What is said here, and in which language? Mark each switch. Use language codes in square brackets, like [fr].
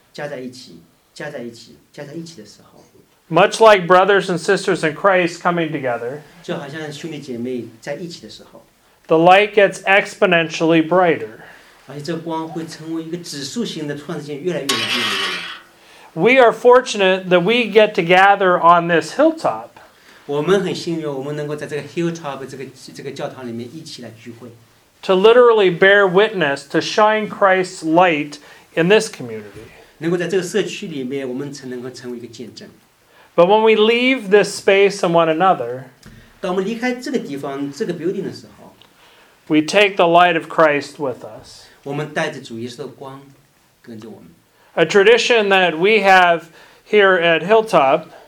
[zh] 当我们想把一些小的火苗加在一起的时候。 [en] Much like brothers and sisters in Christ coming together, [zh] 就好像兄弟姐妹在一起的时候, [en] the light gets exponentially brighter. [zh] 而且这光会成为一个指数型的突然之间越来越亮。 [en] We are fortunate that we get to gather on this hilltop. [zh] 我们很幸运我们能够在这个hilltop这个教堂里面一起来聚会。 [en] To literally bear witness to shine Christ's light in this community. [zh] 能够在这个社区里面我们才能够成为一个见证。 [en] But when we leave this space and one another, [zh] 当我们离开这个地方,这个building的时候, [en] we take the light of Christ with us. [zh] 我们带着主耶稣的光跟着我们。 [en] A tradition that we have here at Hilltop,